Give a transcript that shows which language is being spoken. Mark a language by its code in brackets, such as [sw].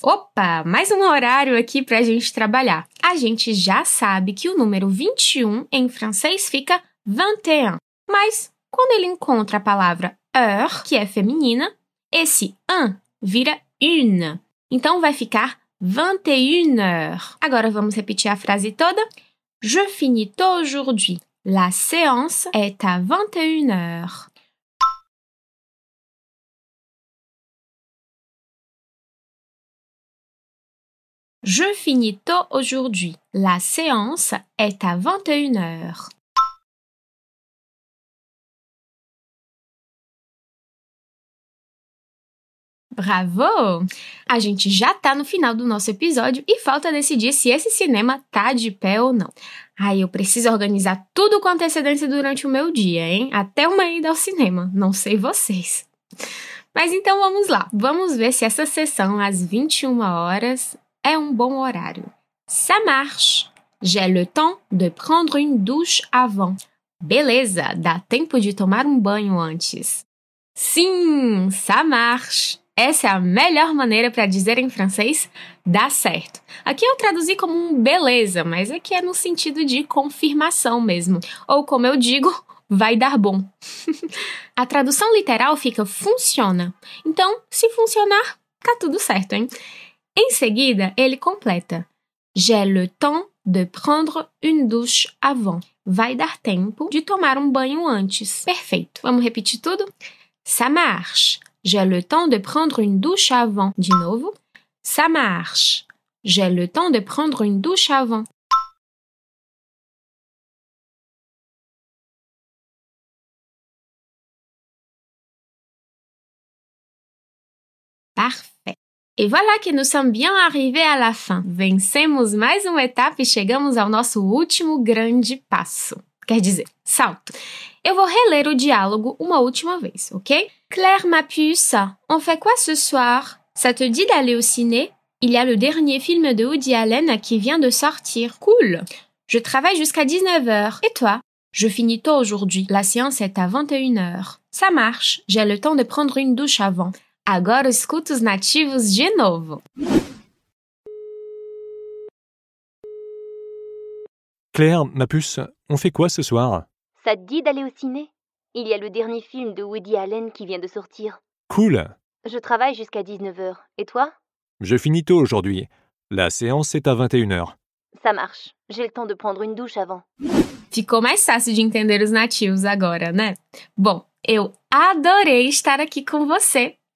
[pt] Opa, mais um horário aqui para a gente trabalhar. A gente já sabe que o número 21 em francês fica 21. Mas quando ele encontra a palavra heure, que é feminina, esse un vira une. Então, vai ficar 21 heures. Agora, vamos repetir a frase toda. [fr] Je finis tôt aujourd'hui. La séance est à 21 heures. Je finis tôt aujourd'hui. La séance est à 21h. Bravo! [pt] A gente já tá no final do nosso episódio e falta decidir se esse cinema tá de pé ou não. Ai, eu preciso organizar tudo com antecedência durante o meu dia, hein? Até uma ida ao cinema, não sei vocês. Mas então vamos lá, vamos ver se essa sessão às 21 horas é um bom horário. [fr] Ça marche! J'ai le temps de prendre une douche avant. [pt] Beleza, dá tempo de tomar um banho antes. Sim, [fr] ça marche! [pt] Essa é a melhor maneira para dizer em francês dá certo. Aqui eu traduzi como um beleza, mas é que é no sentido de confirmação mesmo. Ou como eu digo, vai dar bom. A tradução literal fica funciona. Então, se funcionar, tá tudo certo, hein? Em seguida, ele completa. [fr] J'ai le temps de prendre une douche avant. [pt] Vai dar tempo de tomar um banho antes. Perfeito. Vamos repetir tudo? [fr] Ça marche. J'ai le temps de prendre une douche avant. [pt] De novo. [fr] Ça marche. J'ai le temps de prendre une douche avant. Parfait. Et voilà que nous sommes bien arrivés à la fin. [pt] Vencemos mais uma etapa e chegamos ao nosso último grande passo. Quer dizer, salto. Eu vou reler o diálogo uma última vez, ok? [fr] Claire, ma puce, on fait quoi ce soir? Ça te dit d'aller au ciné? Il y a le dernier film de Woody Allen qui vient de sortir. Cool! Je travaille jusqu'à 19h. Et toi? Je finis tôt aujourd'hui. La séance est à 21h. Ça marche. J'ai le temps de prendre une douche avant. [pt] Agora escuta os nativos de novo. [fr] Claire, ma puce, on fait quoi ce soir? Ça te dit d'aller au ciné? Il y a le dernier film de Woody Allen qui vient de sortir. Cool. Je travaille jusqu'à 19h. Et toi? Je finis tôt aujourd'hui. La séance est à 21h. Ça marche. J'ai le temps de prendre une douche avant. [pt] Ficou mais fácil de entender os nativos agora, né? Bom, eu adorei estar aqui com você.